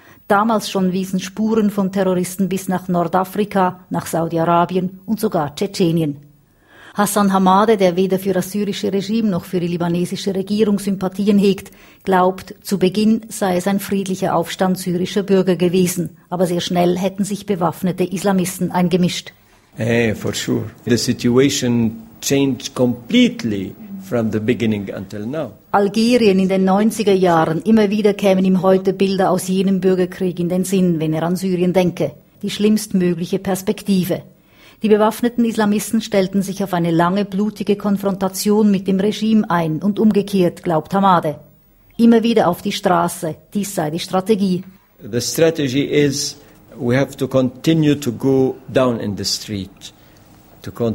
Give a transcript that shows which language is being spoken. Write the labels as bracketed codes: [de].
[de] Damals schon wiesen Spuren von Terroristen bis nach Nordafrika, nach Saudi-Arabien und sogar Tschetschenien. Hassan Hamade, der weder für das syrische Regime noch für die libanesische Regierung Sympathien hegt, glaubt, zu Beginn sei es ein friedlicher Aufstand syrischer Bürger gewesen, aber sehr schnell hätten sich bewaffnete Islamisten eingemischt. [en] Hey, for sure. The situation changed completely from the beginning until now. [de] Algerien in den 90er Jahren, immer wieder kämen ihm heute Bilder aus jenem Bürgerkrieg in den Sinn, wenn er an Syrien denke. Die schlimmstmögliche Perspektive. Die bewaffneten Islamisten stellten sich auf eine lange, blutige Konfrontation mit dem Regime ein und umgekehrt, glaubt Hamade. Immer wieder auf die Straße, dies sei die Strategie. [en] The strategy is, we have to continue to go down in the street, to